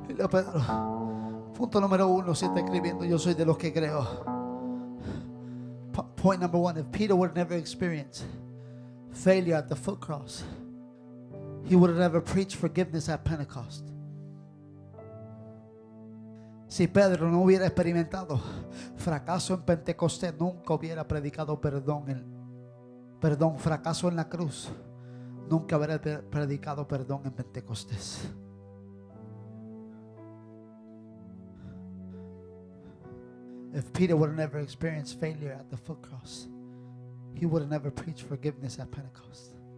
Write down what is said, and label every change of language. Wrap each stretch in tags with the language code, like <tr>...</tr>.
<es>Pedro, punto número uno, si está escribiendo, yo soy de los que creo.</es> <en>Point number one: if Peter would never experience failure at the foot cross, he would have never preached forgiveness at Pentecost.</en> <es>Si Pedro no hubiera experimentado fracaso en Pentecostés, nunca hubiera predicado perdón. Perdón, fracaso en la cruz, nunca hubiera predicado perdón en Pentecostés.</es> <en>If Peter would have never experienced failure at the foot cross, he would have never preached forgiveness at Pentecost.</en>